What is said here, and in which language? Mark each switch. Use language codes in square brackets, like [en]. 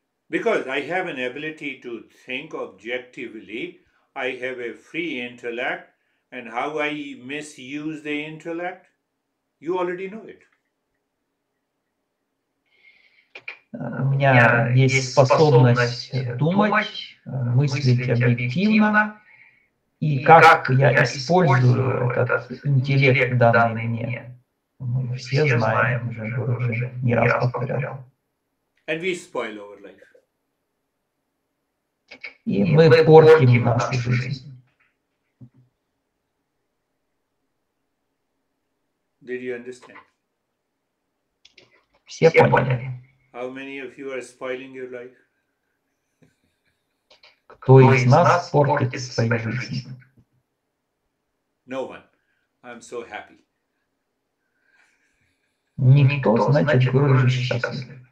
[en] Because I have an ability to think objectively, I have a free intellect, and how I misuse the intellect, you already know it. [ru] У меня есть способность думать, мыслить объективно, и как я использую этот интеллект, данный мне, мы все знаем, уже не раз повторял. [en] And we spoil our life. [ru] И мы портим нашу жизнь. [en] Did you understand? [ru] Все поняли. [en] How many of you are spoiling your life? [ru] Кто из нас портит свою жизнь? [en] No one. I'm so happy. [ru] Никто, значит, Гуруджи счастлив.